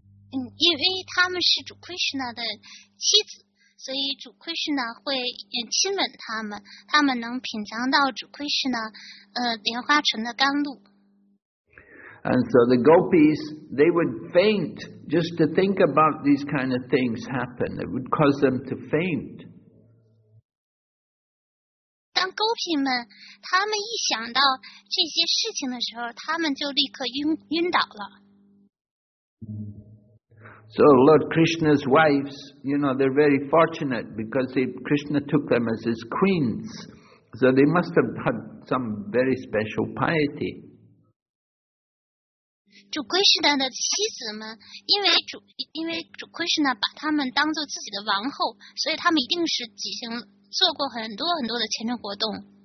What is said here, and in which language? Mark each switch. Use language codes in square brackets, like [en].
[zh] 因为他们是主 Krishna 的妻子，所以主 Krishna 会亲吻他们，他们能品尝到主 Krishna 莲花城的甘露。 [en] And so the gopis, they would faint just to think about these kind of things happen. It would cause them to faint. [zh] 当 gopi 们他们一想到这些事情的时候，他们就立刻晕倒了。 [en] So Lord Krishna's wives, you know, they're very fortunate because Krishna took them as his queens. So they must have had some very special piety. [zh] 主 Krishna 的妻子们，因为主 Krishna 把他们当作自己的王后，所以他们一定是举行做过很多很多的虔诚活动。